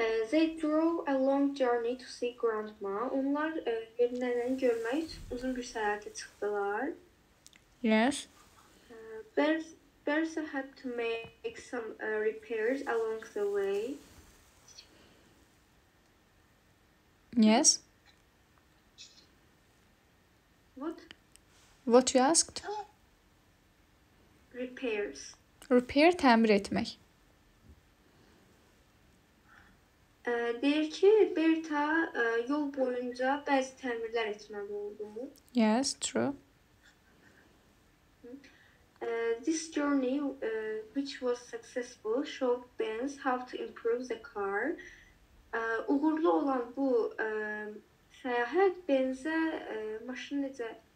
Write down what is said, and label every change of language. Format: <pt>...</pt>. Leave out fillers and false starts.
<en>They drove a long journey to see grandma.</en> <az>Onlar nenəni görmək üçün uzun bir səyahətə çıxdılar.</az> <en>Yes. Bertha had to make some repairs along the way. Yes. What? What you asked? Repairs. Repair,</en> <az>tamir etmek. Deyir ki, Berta yol boyunca bəzi təmirlər etməli oldu.</az> <en>Yes, true. This journey, which was successful, showed Benz how to improve the car.</en> <az>Uğurlu olan bu seyahat Benz'e maşını necə</az>